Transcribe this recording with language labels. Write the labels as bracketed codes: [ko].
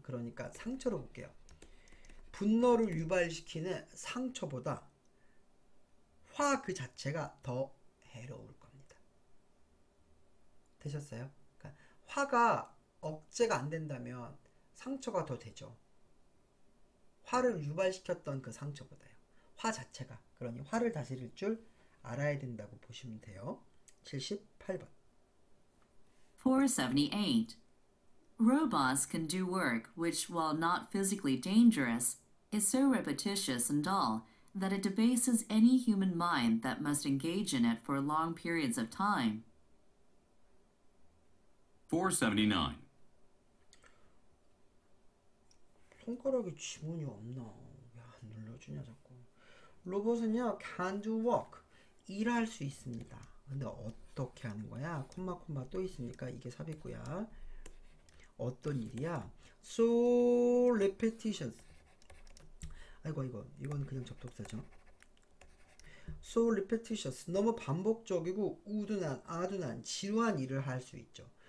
[ko] 그러니까 상처로 볼게요. 분노를 유발시키는 상처보다 화그 자체가 더 해로울 겁니다. 되셨어요? 그러니까 화가 억제가 안 된다면 상처가 더 되죠. 화를 유발시켰던 그 상처보다요. 화 자체가. 그러니 화를 다시 읽을 줄 알아야 된다고 보시면 돼요. 78번. 478. [en] Robots can do work which, while not physically dangerous, is so repetitious and dull that it debases any human mind that must engage in it for long periods of time. [ko] 479. 손가락에 지문이 없나? 야, 안 눌러주냐 자꾸. 로봇은요, can do work. 일할 수 있습니다. 근데 어떻게 하는 거야? 콤마 콤마 또 있으니까 이게 삽입구야. 어떤 일이야? So repetitious. 아이고, 아이고, 이건 그냥 접속사죠. [en] So repetitious. [ko] 너무 반복적이고 우둔한, 아둔한, 지루한 일을 할수 있죠.